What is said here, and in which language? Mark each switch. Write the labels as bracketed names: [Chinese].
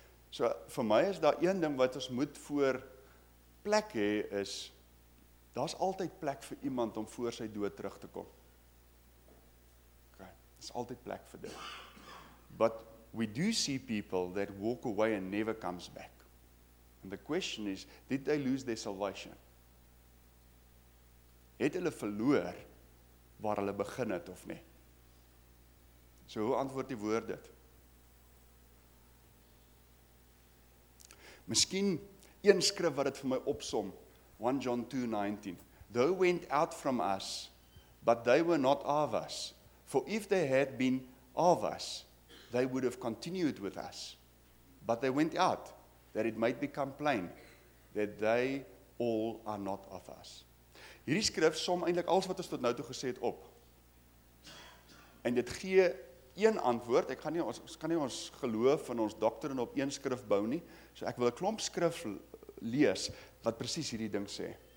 [Afrikaans] So, vir my is daar een ding wat ons moet voor plek hê, is, daar is altyd plek vir iemand om voor sy dood terug te kom. Okay, daar is altyd plek vir dit. [English] But we do see people that walk away and never comes back. And the question is, did they lose their salvation? [Afrikaans] Het hulle verloor waar hulle begin het of nie? So, hoe antwoord die woord dit? Miskien een skrif wat het vir my opsom, 1 John 2:19. [English] They went out from us, but they were not of us. For if they had been of us, they would have continued with us. But they went out, that it might become plain, that they all are not of us. [Afrikaans] Hierdie skrif som eintlik alles wat ons tot nou toe gesê het op. En dit gee een antwoord. Ek gaan nie ons kan nie ons geloof en ons doktrine op een skrif bou nie. So ek wil 'n klomp skrif lees wat presies hierdie ding sê.